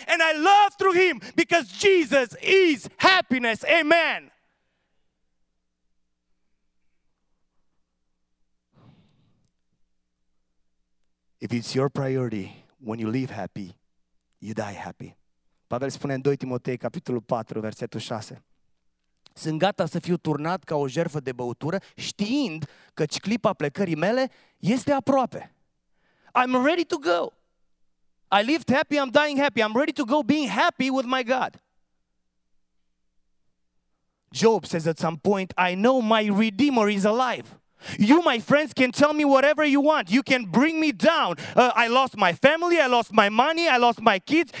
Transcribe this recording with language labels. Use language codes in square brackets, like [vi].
[en] And I love through Him because Jesus is happiness. Amen. If it's your priority, when you live happy, you die happy. [ro] Pavel spune în 2 Timotei, capitolul 4, versetul 6. Sunt gata să fiu turnat ca o jertfă de băutură, știind că clipa plecării mele este aproape. [en] I'm ready to go. I lived happy, I'm dying happy. I'm ready to go being happy with my God. Job says at some point, I know my Redeemer is alive. You, my friends, can tell me whatever you want. You can bring me down. I lost my family. I lost my money. I lost my kids.